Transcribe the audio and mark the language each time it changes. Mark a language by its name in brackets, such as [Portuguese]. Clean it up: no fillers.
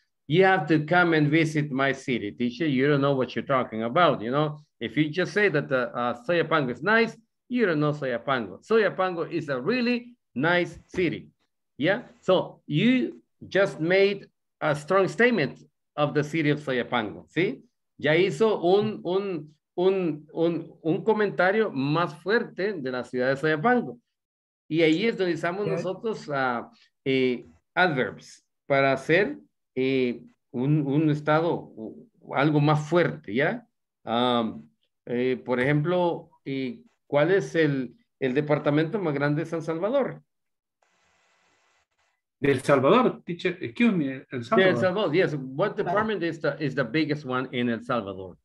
[English] You have to come and visit my city, teacher. You don't know what you're talking about, you know. If you just say that Soyapango is nice, you don't know Soyapango. Soyapango is a really nice city. Yeah? So you just made a strong statement of the city of Soyapango. [Spanish] ¿Sí? Ya hizo un comentario más fuerte de la ciudad de Soyapango. Y ahí es donde usamos nosotros adverbs para hacer un estado, algo más fuerte. ¿Ya? Por ejemplo, ¿cuál es el departamento más grande de San Salvador? [English] El Salvador, teacher, excuse me, El Salvador. El Salvador, yes. What department is the biggest one in El Salvador?